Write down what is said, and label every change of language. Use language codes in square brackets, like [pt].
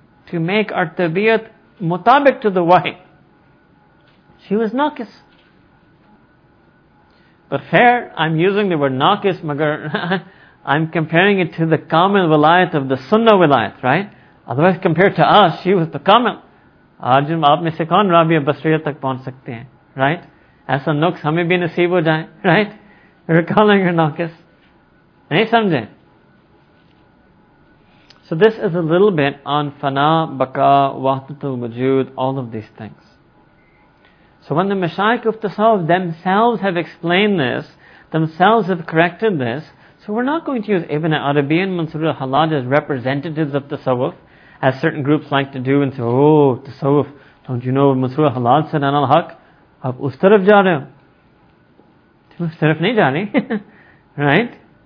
[en] To make our tabiat mutabik to the wahi. She was naqis. But fair, I'm using the word naqis, magar I'm comparing it to the Kamil wilayat of the Sunnah wilayat, right? Otherwise, compared to us, she was the Kamil. [ur] آج آپ میں سے کون رابعہ بصریہ تک پہنچ سکتے ہیں, right? ایسا نقص ہمیں بھی نصیب ہو جائے, right? [en] We're calling her naqis. [ur] نہیں سمجھے? [en] So this is a little bit on fana, baka, wahdatul wujud, all of these things. So when the mashayikh of tasawwuf themselves have explained this, themselves have corrected this, so we're not going to use Ibn al-Arabi and Mansur al-Hallaj as representatives of tasawwuf, as certain groups like to do and say, "Oh, tasawwuf, don't you know what Mansur al-Hallaj said on al-Haq? [ur] اب اس طرف جا رہے ہو." اس طرف نہیں جا رہے, right?